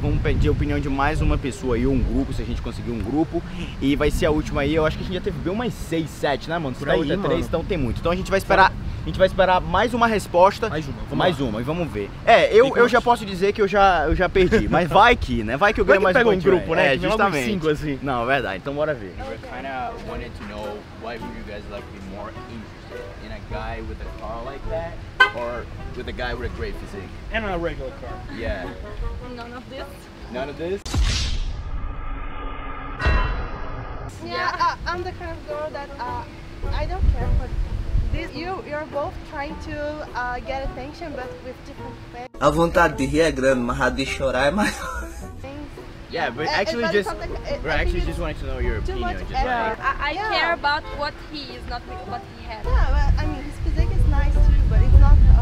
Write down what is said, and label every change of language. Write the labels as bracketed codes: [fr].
[pt] Vamos pedir a opinião de mais uma pessoa aí, um grupo, se a gente conseguir um grupo. E vai ser a última aí. Eu acho que a gente já teve bem umas 6, 7, né, mano? Por aí, 8, mano. 3, então tem muito. Então, a gente vai esperar. A gente vai esperar mais uma resposta. Mais uma. Mais uma, e vamos ver. É, eu já posso dizer que eu já perdi. Mas vai que, né? Vai que eu ganho mais um. Pega um grupo, né? Justamente. Cinco, assim. Não, é verdade. Então bora ver. [en] Eu kinda wanted to know why would you guys like be more interested in a guy with a car like that? Or with a guy with a great physique? And a regular car. Yeah. None of this? None of this? Yeah, I'm the kind of girl that I don't care for. You're both trying to get attention, but with different things. [pt] A vontade de rir é grande, mas a de chorar é maior. [en] Yeah, but actually just wanted to know your opinion. Too much just effort. Like, I care about what he is, not what he has. Yeah, but I mean, his physique is nice too, but it's not...